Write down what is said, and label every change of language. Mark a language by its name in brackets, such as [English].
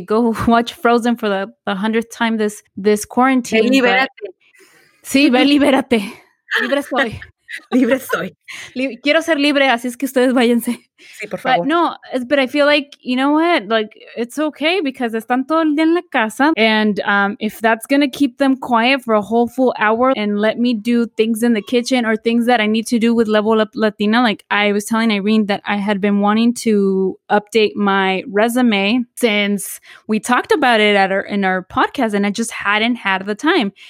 [English] Go watch Frozen for the 100th time this quarantine. [Spanish] Ve libérate. Sí, ve libérate. Libre soy. Libre soy. Quiero ser libre, así es que ustedes váyanse. Sí, por favor. But [English] no, but I feel like, you know what? Like, it's okay because [Spanish] están todo el día en la casa. [English] And if that's going to keep them quiet for a whole full hour and let me do things in the kitchen or things that I need to do with Level Up Latina, like I was telling Irene that I had been wanting to update my resume since we talked about it at in our podcast and I just hadn't had the time.